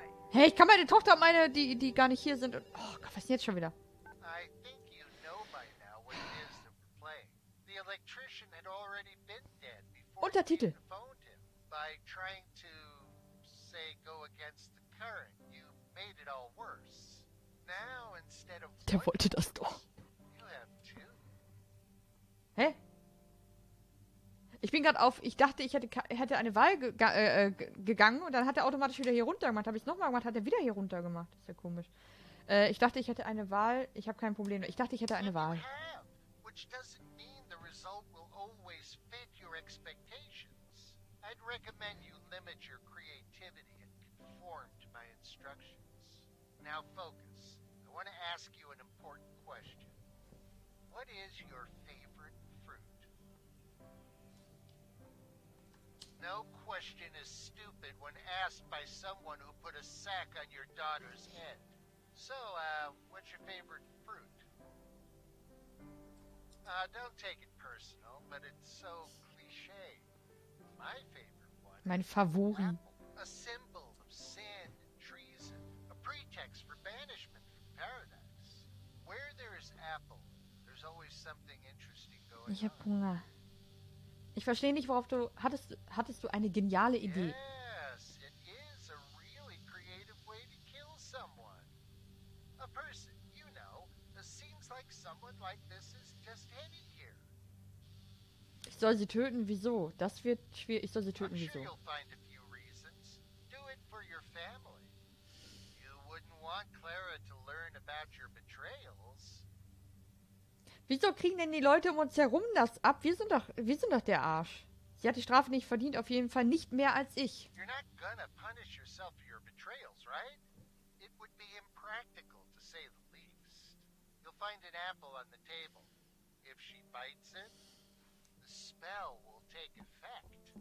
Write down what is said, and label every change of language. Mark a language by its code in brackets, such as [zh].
[de] Hey, ich kann meine Tochter und meine, die gar nicht hier sind. Und, oh Gott, was ist denn jetzt schon wieder? [en] I think you know by now what it is that we're playing. The electrician had already been dead before Untertitel. You phoned him. By trying to, say, go against the current, you made it all worse. Now, instead of [de] Der wollte das doch. [en] You have two. Hä? [de] Ich bin gerade auf, ich dachte, ich hätte eine Wahl gegangen und dann hat er automatisch wieder hier runter gemacht. Habe ich es nochmal gemacht, hat er wieder hier runter gemacht. Ist ja komisch. Ich dachte, ich hätte eine Wahl. Ich habe kein Problem. Ich dachte, ich hätte eine Wahl. [en] Which doesn't mean the result will always fit your expectations. I'd recommend you limit your creativity and conform to my instructions. Now focus. I want to ask you an important question. What is your favorite fruit? No question is stupid when asked by someone who put a sack on your daughter's head. So, what's your favorite fruit? Don't take it personal, but it's so cliché. My favorite one. [de] Mein Favori. [en] A symbol of sin and treason. A pretext for banishment from paradise. Where there is apple, there's always something interesting going on. [de] Ich hab Hunger. Ich verstehe nicht, worauf du... Hattest du eine geniale Idee? [en] Yes, it is a really creative way to kill someone. A person, you know, it seems like someone like this is just heading here. [de] Ich soll sie töten, wieso? Das wird schwierig. Ich soll sie töten, wieso? [en] I'm sure you'll find a few reasons. Do it for your family. You wouldn't want Clara to learn about your betrayals. [de] Wieso kriegen denn die Leute um uns herum das ab? Wir sind doch der Arsch. Sie hat die Strafe nicht verdient, auf jeden Fall nicht mehr als ich. [en] You're not gonna punish yourself for your betrayals, right? It would be impractical, to say the least. You'll find an apple on the table. If she bites it, the spell will take effect.